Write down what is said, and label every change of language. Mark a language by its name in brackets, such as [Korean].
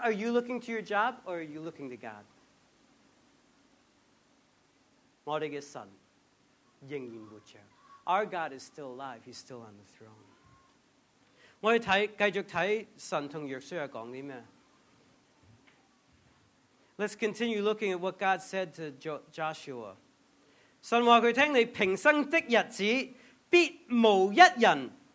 [English] Are you looking to your job? Or are you looking to God? [Chinese] 我们的神仍然活着。 [English] Our God is still alive. He's still on the throne. [Chinese] 我们继续看神和约书亚讲什么。 [English] Let's continue looking at what God said to Joshua. [Chinese] 神话他听你平生的日子必无一人